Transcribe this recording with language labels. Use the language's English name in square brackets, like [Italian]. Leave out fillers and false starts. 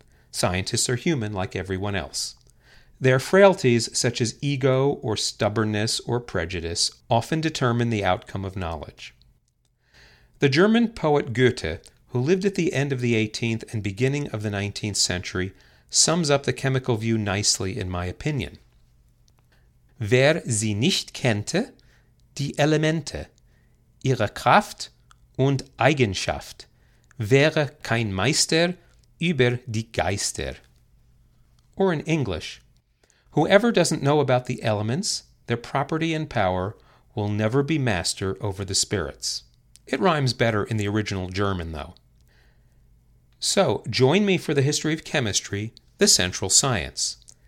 [English] Scientists are human like everyone else. Their frailties, such as ego or stubbornness or prejudice, often determine the outcome of knowledge. The German poet Goethe, who lived at the end of the 18th and beginning of the 19th century, sums up the chemical view nicely in my opinion. [German] Wer sie nicht kennte, die Elemente, ihre Kraft und Eigenschaft, wäre kein Meister über die Geister. [English] Or in English, whoever doesn't know about the elements, their property and power, will never be master over the spirits. It rhymes better in the original German, though. So, join me for the history of chemistry, the central science.